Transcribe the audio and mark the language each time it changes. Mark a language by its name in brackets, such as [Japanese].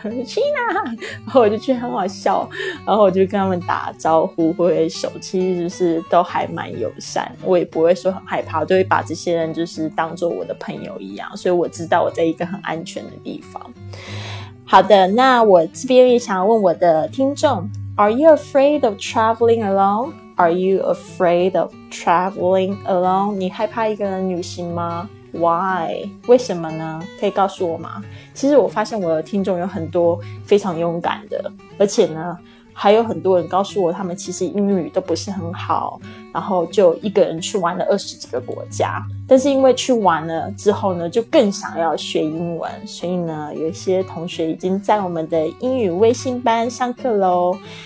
[Chinese] 亲啊，然后我就觉得很好笑，然后我就跟他们打招呼挥挥手，其实就是都还蛮友善，我也不会说很害怕，都会把这些人就是当作我的朋友一样，所以我知道我在一个很安全的地方。好的，那我这边也想要问我的听众， [English] Are you afraid of traveling alone? Are you afraid of traveling alone? [Chinese] 你害怕一个人旅行吗？Why? 为什么呢？可以告诉我吗？其实我发现我的听众有很多非常勇敢的，而且呢还有很多人告诉我他们其实英语都不是很好，然后就一个人去玩了20几个国家，但是因为去玩了之后呢就更想要学英文，所以呢有些同学已经在我们的英语微信班上课咯。